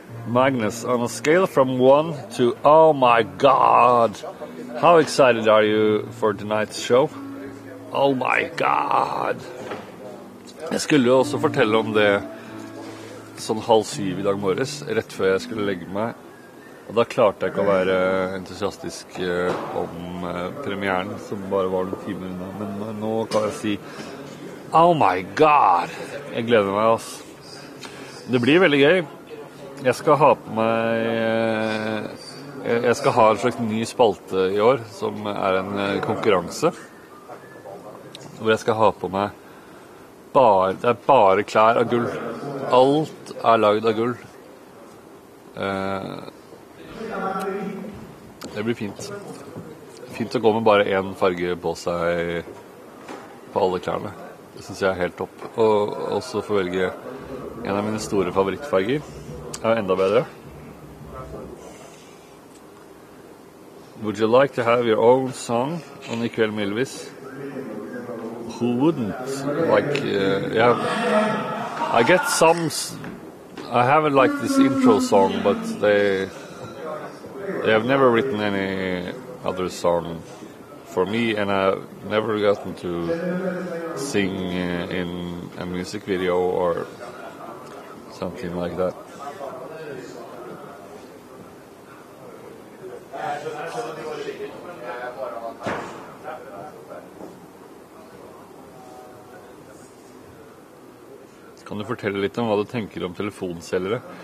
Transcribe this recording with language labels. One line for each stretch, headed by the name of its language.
English: Magnus, on a scale from 1 to oh my god, how excited are you for tonight's show? Oh my god!
Norwegian: Jeg skulle jo også fortelle om det sånn 6:30 I dag morges, rett før jeg skulle legge meg. Og da klarte jeg ikke å være entusiastisk om premieren, som bare var noen timer innan. Men nå kan jeg si,
English: oh my god!
Norwegian: Jeg gleder meg, ass. Det blir veldig gøy. Jeg skal ha på meg... jeg skal ha en slags ny spalte I år, som en konkurranse. Hvor jeg skal ha på meg bare, det bare klær av gull alt laget av gull det blir fint å gå med bare en farge på seg på alle klærne det synes jeg helt topp og også få velge en av mine store favorittfarger enda bedre
English: would you like to have your own song on
Norwegian: I kveld med Elvis?
English: Who wouldn't like I get some I haven't liked this intro song but they have never written any other song for me and I've never gotten to sing in a music video or something like that
Norwegian: Kan du fortelle litt om hva du tenker om telefonselgere?